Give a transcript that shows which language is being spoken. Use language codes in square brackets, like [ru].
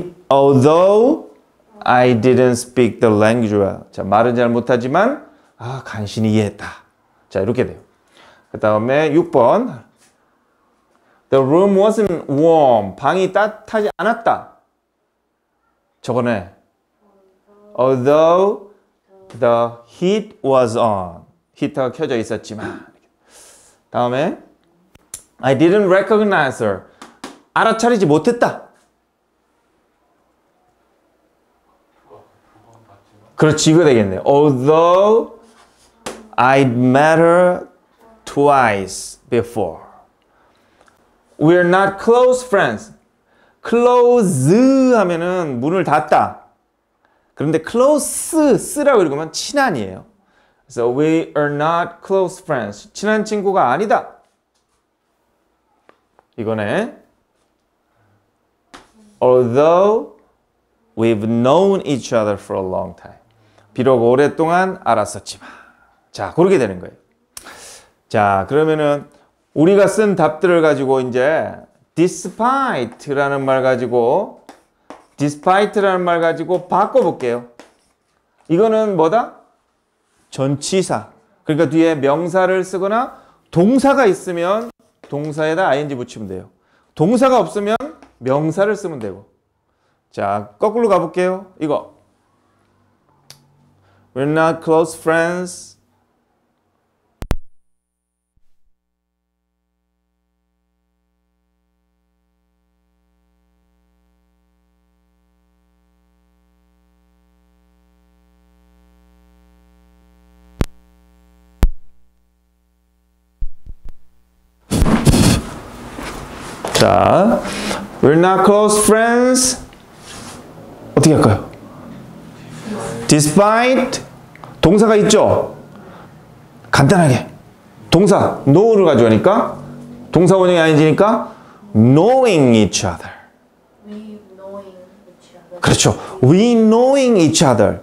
[en] Although I didn't speak the language well. [ko] 자, 말은 잘 못하지만 아, 간신히 이해했다. 자, 이렇게 돼요. 그 다음에 6번. [en] The room wasn't warm. [ko] 방이 따뜻하지 않았다. 저거네. [en] Although the heat was on. [ko] 히터가 켜져 있었지만. 다음에 [en] I didn't recognize her. [ko] 알아차리지 못했다. 그렇지, 이거 되겠네. [en] Although I'd met her twice before. We're not close friends. [ko] Close 하면은 문을 닫다. 그런데 close, 쓰라고 읽으면 친한이에요. [en] So we are not close friends. [ko] 친한 친구가 아니다. 이거네. [en] Although we've known each other for a long time. [ko] 비록 오랫동안 알았었지만. 자, 그렇게 되는 거예요. 자, 그러면은 우리가 쓴 답들을 가지고 이제 despite라는 말 가지고 despite라는 말 가지고 바꿔볼게요. 이거는 뭐다? 전치사. 그러니까 뒤에 명사를 쓰거나 동사가 있으면 동사에다 ing 붙이면 돼요. 동사가 없으면 명사를 쓰면 되고. 자, 거꾸로 가볼게요. 이거 [en] We're not close friends. 자, we're not close friends. [ko] 어떻게 할까요? Despite 동사가 있죠? 간단하게 동사 know를 가져오니까 동사 원형이 아니지니까 [en] knowing each other. We knowing each other. [ko] 그렇죠. [en] We knowing each other.